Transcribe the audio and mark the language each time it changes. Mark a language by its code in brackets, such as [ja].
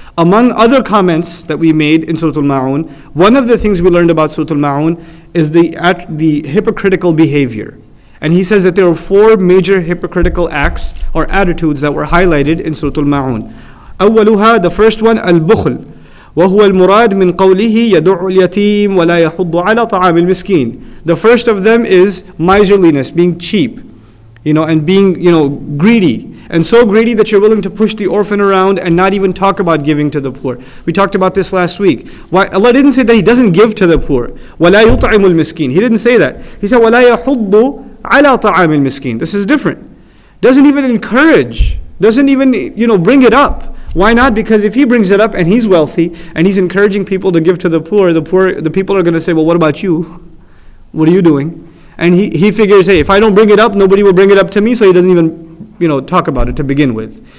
[en] Among other comments that we made in Surah Al-Ma'un, one of the things we learned about Surah Al-Ma'un is the hypocritical behavior. And he says that there were four major hypocritical acts or attitudes that were highlighted in Surah Al-Ma'un. [ar] أولها, [en] the first one, [ar] البخل. وهو المراد من قوله يدعو اليتيم ولا يحض على طعام المسكين. [en] The first of them is miserliness, being cheap, you know, and being, you know, greedy. And so greedy that you're willing to push the orphan around and not even talk about giving to the poor. We talked about this last week. Why Allah didn't say that he doesn't give to the poor. [ar] ولا يطعم المسكين. [en] He didn't say that. He said [ar] ولا يحض على طعام المسكين. [en] This is different. Doesn't even encourage. Doesn't even, you know, bring it up. Why not? Because if he brings it up and he's wealthy and he's encouraging people to give to the poor, the people are going to say, well, what about you? What are you doing? And he figures, hey, if I don't bring it up, nobody will bring it up to me, so he doesn't even, you know, talk about it to begin with.